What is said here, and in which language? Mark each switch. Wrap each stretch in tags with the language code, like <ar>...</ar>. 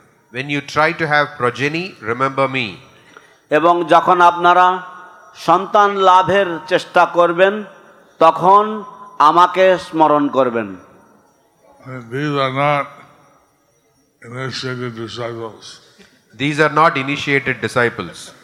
<en>When you try to have progeny, remember me.</en> <bn>এবং যখন আপনারা সন্তান লাভের চেষ্টা করবেন তখন আমাকে স্মরণ করবেন।</bn> <en>These are not initiated disciples.</en>